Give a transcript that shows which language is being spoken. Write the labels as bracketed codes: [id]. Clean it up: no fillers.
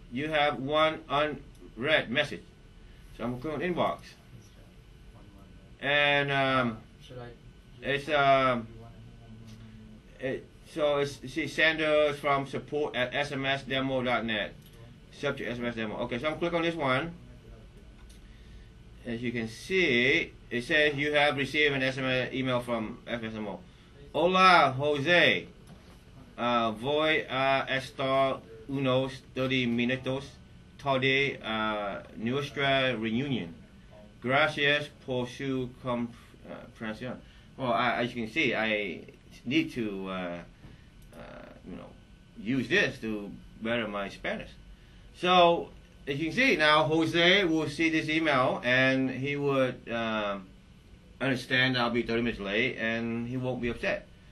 [en] You have one unread message." So I'm going to click on inbox, and it's see, sender from support at smsdemo.net, subject SMS demo. Okay, so I'm click on this one. As you can see, it says you have received an SMS email from SMS demo. [es] "Hola, Jose. Voy a estar unos 30 minutos tarde nuestra reunión. Gracias por su comprensión." [en] Well, as you can see, I need to use this to better my Spanish. So as you can see now, Jose will see this email and he would understand I'll be 30 minutes late, and he won't be upset.